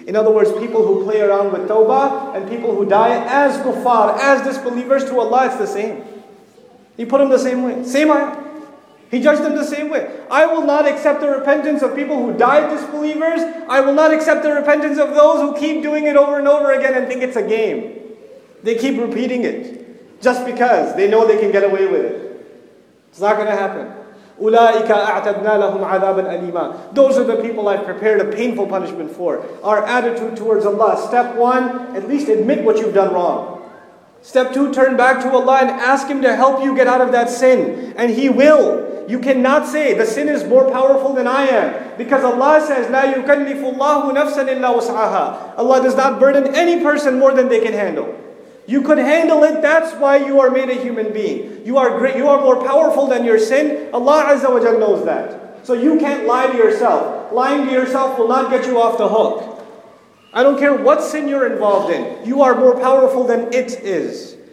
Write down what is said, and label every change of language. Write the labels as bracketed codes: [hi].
[en] In other words, people who play around with tawbah and people who die as kuffar, as disbelievers, to Allah, it's the same. He put them the same way. Same ayah. He judged them the same way. I will not accept the repentance of people who die disbelievers. I will not accept the repentance of those who keep doing it over and over again and think it's a game. They keep repeating it just because they know they can get away with it. It's not going to happen. [ar] أُولَٰئِكَ أَعْتَدْنَا لَهُمْ عَذَابًا أَلِيمًا. [en] Those are the people I've prepared a painful punishment for. Our attitude towards Allah. Step one, at least admit what you've done wrong. Step two, turn back to Allah and ask Him to help you get out of that sin. And He will. You cannot say, the sin is more powerful than I am. Because Allah says, [ar] لَا يُكَلِّفُ اللَّهُ نَفْسًا إِلَّا وُسْعَهَا. [en] Allah does not burden any person more than they can handle. You could handle it, that's why you are made a human being. You are great. You are more powerful than your sin. Allah Azza wa Jalla knows that. So you can't lie to yourself. Lying to yourself will not get you off the hook. I don't care what sin you're involved in. You are more powerful than it is.